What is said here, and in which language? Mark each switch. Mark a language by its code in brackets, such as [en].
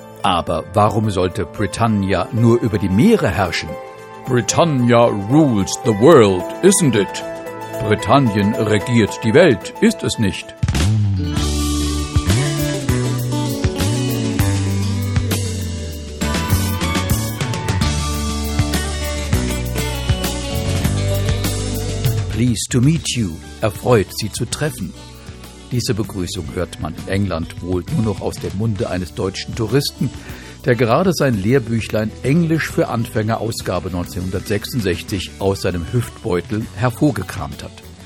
[de] Aber warum sollte Britannia nur über die Meere herrschen? [en] Britannia rules the world, isn't it? [de] Britannien regiert die Welt, ist es nicht? [en] Pleased to meet you, [de] erfreut, Sie zu treffen. Diese Begrüßung hört man in England wohl nur noch aus dem Munde eines deutschen Touristen, der gerade sein Lehrbüchlein Englisch für Anfänger Ausgabe 1966 aus seinem Hüftbeutel hervorgekramt hat.